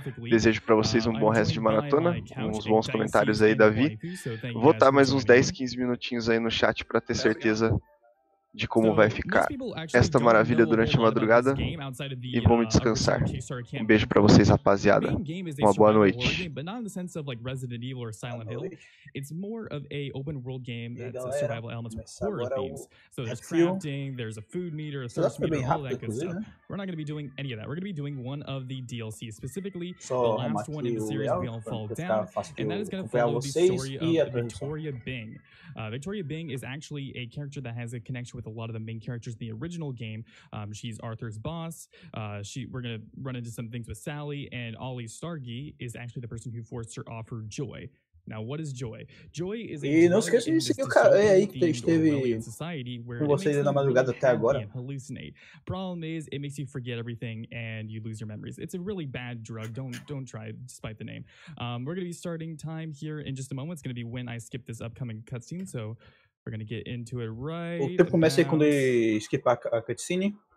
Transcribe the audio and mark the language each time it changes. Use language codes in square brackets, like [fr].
[pt] Desejo pra vocês um bom resto de maratona, uns bons comentários aí, Davi. Vou estar mais uns 10, 15 minutinhos aí no chat pra ter certeza de como vai ficar esta maravilha durante a madrugada e vou me descansar. Um beijo pra vocês, rapaziada. Uma boa noite. [en] It's more of a open world game that's a survival element with horror themes. So there's crafting, there's a food meter, a source meter, all that good stuff. We're not going to be doing any of that. We're going to be doing one of the DLC specifically, the last one in the series, We All Fall Down. And that is going to follow the story of Victoria Bing. Victoria Bing is actually a character that has a connection with a lot of the main characters in the original game. She's Arthur's boss. We're going to run into some things with Sally, and Ollie Stargy is actually the person who forced her off her joy. Now, what is joy? Joy is [pt] e não esqueça de seguir o cara aí que esteve com vocês na madrugada até agora. [en] Problem is, it makes you forget everything and you lose your memories. It's a really bad drug. Don't try, despite the name. We're going to be starting time here in just a moment. It's going to be when I skip this upcoming cutscene. So we're going to get into it right [pt] now. O tempo começa aí quando ele skip a cutscene.